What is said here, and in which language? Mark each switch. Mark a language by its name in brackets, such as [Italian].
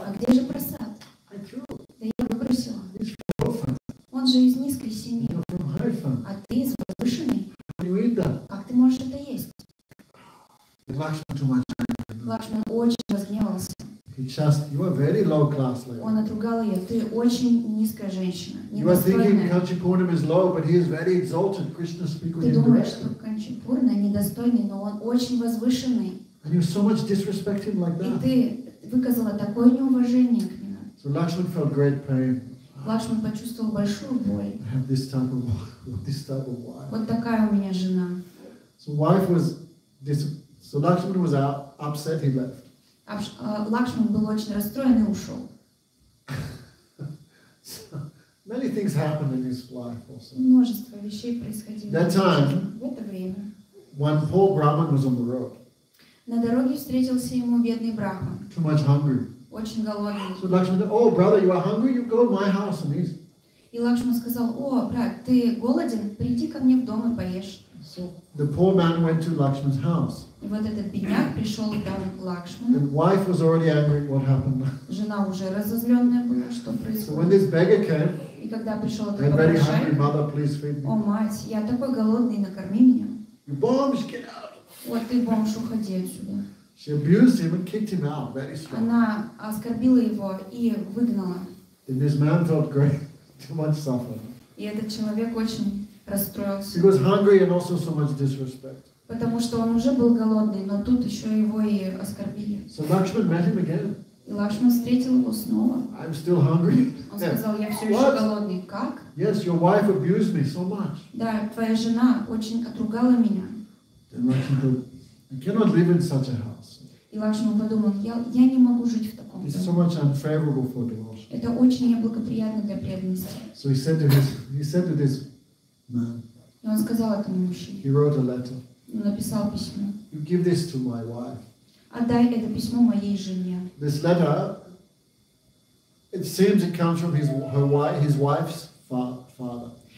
[Russian] А где же прасад? Да я выбросила. Он же из низкой семьи. А ты из возвышенной? Как ты можешь это есть? Лакшман очень разгневался. [English] Just, you are very low class, lady. [Russian] Он отругал ее. Ты очень низкая женщина. [English] You are thinking Kanchipurna is low, but he is very exalted. Krishna speaks with [Russian] him. Ты думаешь, что Канчапурна недостойный, но он очень возвышенный. [English] And you so much disrespect him like that. [Russian] И ты выказала такое неуважение к нему. [English] So Lakshman felt great pain. [Russian] Лакшман почувствовал большую боль. [English] I have this type of wife. [Russian] Вот такая у меня жена. [English] So wife was so Lakshman was upset, he left. [Russian] Лакшман был очень расстроен и ушел. [English] So, many things happened in his life also. [Russian] Множество вещей происходило. [English] That time, [Russian] в это время. [English] One poor Brahman was on the road. [Russian] На дороге встретился ему бедный Брахман. [English] Too much hungry. [Russian] Очень голодный. [English] So Lakshman said, oh, brother, you are hungry? You go to my house and eat. [Russian] И Лакшман сказал, о, брат, ты голоден? Приди ко мне в дом и поешь. [English] So the poor man went to Lakshman's house. [Russian] И вот этот бедняк пришел к Лакшману. [English] The wife was already angry at what happened. [Russian] Жена уже разозленная была, что происходит. [English] So when this beggar came, [Russian] и когда пришел [English] этот very hungry mother, please feed me. [Russian] О, мать, я такой голодный, накорми меня. [English] You bombs, get out. [Russian] Вот ты, бомж, уходи отсюда. [English] She abused him and kicked him out very strong. [Russian] Она оскорбила его и выгнала. [English] Then this man felt great, too much suffering. [Russian] И этот человек очень расстроился. [English] He was hungry and also so much disrespect. [Russian] Потому что он уже был голодный, но тут еще его и оскорбили. [English] So Lakshman met him again. [Russian] И Лакшман встретил его снова. [English] I'm still hungry. [Russian] Он сказал, я все еще голодный. Как? [English] Yes, your wife abused me so much. [Russian] Да, твоя жена очень отругала меня. [English] Then Lakshman said, I cannot live in such a house. [Russian] И Лакшма подумал, я не могу жить в таком. [English] This is so much unfavorable for devotion. [Russian] Это очень неблагоприятно для преданности. [English] So he said to this man. [Russian] И он сказал этому мужчине. [English] He wrote a letter. [Russian] Он написал письмо. [English] You give this to my wife. [Russian] Отдай это письмо моей жене. [English] This letter, it seems it comes from his wife's father.